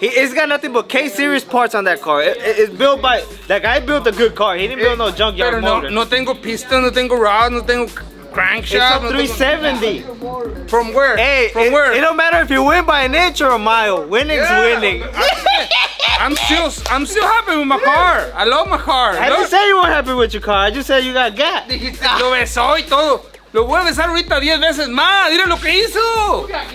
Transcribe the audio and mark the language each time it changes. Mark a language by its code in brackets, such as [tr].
[en] It's got nothing but K-series parts on that car. It's built by, that guy built a good car. He didn't build no junkyard motor. [es] No tengo piston, no tengo rod, no tengo crankshaft. [en] It's a 370. From where? Hey, from where? It don't matter if you win by an inch or a mile. Winning's winning. I'm still happy with my car. I love my car. I didn't say you weren't happy with your car. I just said you got gas. [es] Lo besó y todo. Lo voy a besar ahorita 10 veces más. Mira lo que hizo.